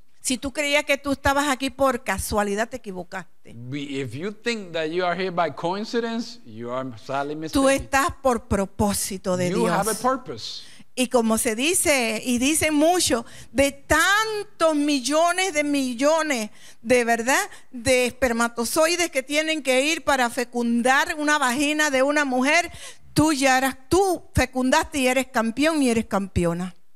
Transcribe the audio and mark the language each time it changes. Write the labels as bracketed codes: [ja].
[es] Si tú creías que tú estabas aquí por casualidad, te equivocaste. [en] If you think that you are here by coincidence, you are sadly mistaken. [es] Tú estás por propósito de Dios. [en] You have a purpose. [es] Y como se dice, y dicen mucho, de tantos millones, de verdad, de espermatozoides que tienen que ir para fecundar una vagina de una mujer, tú ya eras, tú fecundaste y eres campeón y eres campeona.